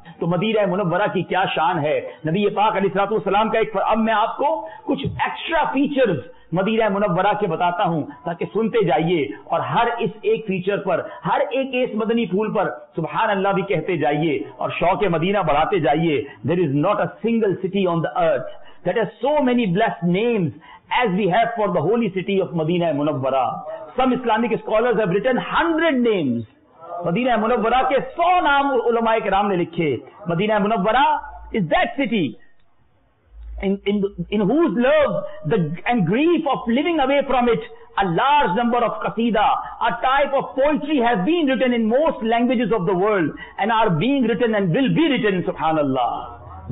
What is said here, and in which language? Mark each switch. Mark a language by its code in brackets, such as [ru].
[ur] تو مدینہ منورہ کی کیا شان ہے, نبی پاک علیہ الصلوۃ والسلام کا ایک. اب میں آپ کو کچھ ایکسٹرا فیچرز مدینہ منورہ کے بتاتا ہوں تاکہ سنتے جائیے اور ہر اس ایک فیچر پر, ہر ایک اس مدنی پھول پر سبحان اللہ بھی کہتے جائیے اور شوق مدینہ بڑھاتے جائیے. [en] There is not a single city on the earth that has so many blessed names as we have for the holy city of Madinah Munawwarah. Some Islamic scholars have written 100 names. [ur] مدینہ منورہ کے 100 نام علماء کرام نے لکھے. [en] Madinah Munawwarah is that city in whose love the and grief of living away from it a large number of qasida, a type of poetry, has been written in most languages of the world and are being written and will be written, subhanallah.